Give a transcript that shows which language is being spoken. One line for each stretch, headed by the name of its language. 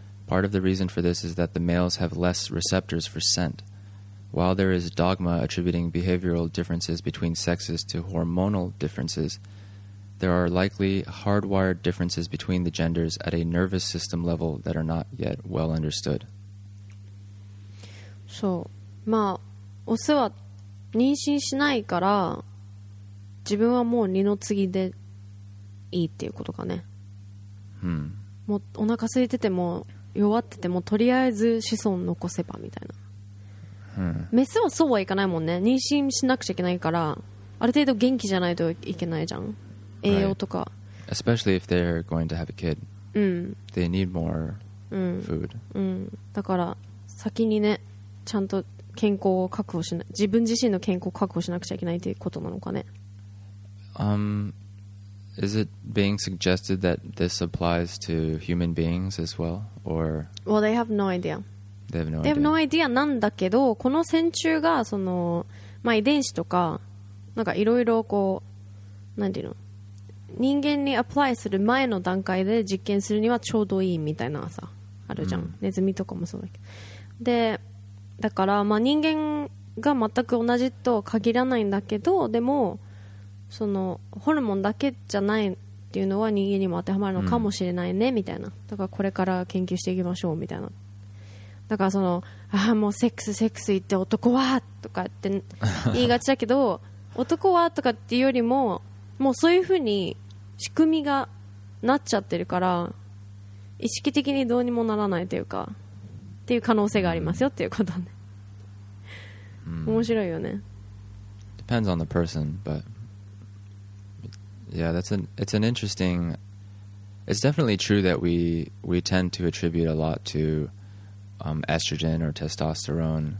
English: Part of the reason for this is that the males have less receptors for scent. While there is dogma attributing behavioral differences between sexes to hormonal differences, there are likely hardwired differences between the genders at a nervous system level that are not yet well understood. So...
Japanese: まあ、オスは妊娠しないから自分はもう二の次でいいっていうことかね。もうお腹空いてても弱っててもとりあえず子孫残せばみたいな。メスはそうはいかないもんね。妊娠しなくちゃいけないから、ある程度元気じゃないといけないじゃん、栄養とか、
English: right. Especially if they're going to have a kid、they need more food、
Japanese: だから先にね、ちゃんと健康を確保しな、自分自身の健康を確保しなくちゃいけないということなのかね。
English: Is it being suggested that this applies to human beings as well, or? Well, they have no idea. They have no idea. They have no idea
Japanese: なんだけど、この線虫がそのまあ遺伝子とかなんかいろいろこう何ていうの、人間にアプライする前の段階で実験するにはちょうどいいみたいなさあるじゃん。ネズミとかもそうだけど。で。だから、まあ、人間が全く同じとは限らないんだけど、でもそのホルモンだけじゃないっていうのは人間にも当てはまるのかもしれないね、みたいな。だからこれから研究していきましょうみたいな。だからその、ああもうセックス言って男はとかって言いがちだけど男はとかっていうよりも、もうそういうふうに仕組みがなっちゃってるから意識的にどうにもならないというかっていう可能性がありますよっていうことね。面白いよね。
English: Depends on the person, but yeah, it's an interesting. It's definitely true that we tend to attribute a lot to estrogen or testosterone.